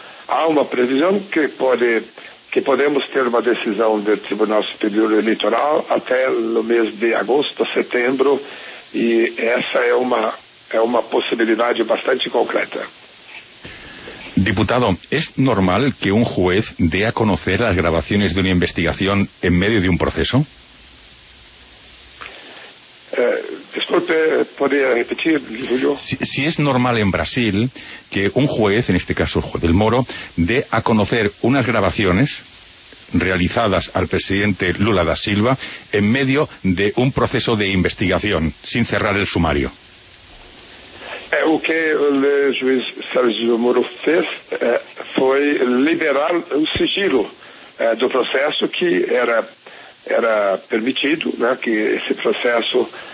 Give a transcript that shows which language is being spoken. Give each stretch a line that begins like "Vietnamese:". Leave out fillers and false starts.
Portuguese: Há uma previsão que podemos ter uma decisão do Tribunal Superior Eleitoral até o mês de agosto, setembro, e essa é uma possibilidade bastante concreta.
Spanish: Diputado, ¿es normal que un juez dé a conocer las grabaciones de una investigación en medio de un proceso? Disculpe, ¿podría repetir, Julio? Si es normal en Brasil que un juez, en este caso el juez del Moro, dé a conocer unas grabaciones realizadas al presidente Lula da Silva en medio de un proceso de investigación, sin cerrar el sumario.
Portuguese: O que o juiz Sérgio Moro fez foi liberar o sigilo do processo, que era permitido, né, que esse processo